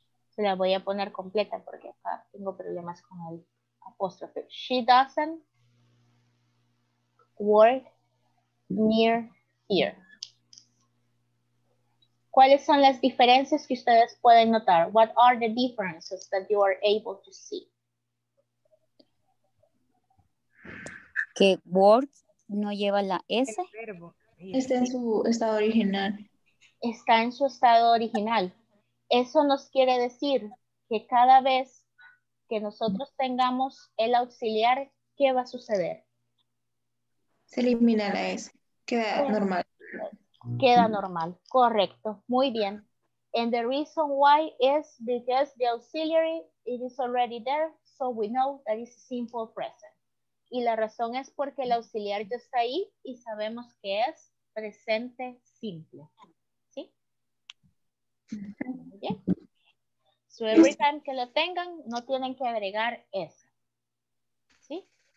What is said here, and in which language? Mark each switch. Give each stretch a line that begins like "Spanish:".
Spanish: Se la voy a poner completa porque acá tengo problemas con el apóstrofe.
English: She doesn't work near here.
Spanish: ¿Cuáles son las diferencias que ustedes pueden notar?
English: What are the differences that you are able to see?
Spanish: Que work no lleva la S. El verbo. Está en su estado original. Está en su estado original. Eso nos quiere decir que cada vez que nosotros tengamos el auxiliar, ¿qué va a suceder? Se elimina la S. Queda normal. Queda normal, correcto, muy bien.
English: And the reason why is because the auxiliary, it is already there, so we know that it's simple present.
Spanish: Y la razón es porque el auxiliar ya está ahí y sabemos que es presente simple. ¿Sí? Muy
English: Yeah. So every time
Spanish: que lo tengan, no tienen que agregar esa. ¿Sí?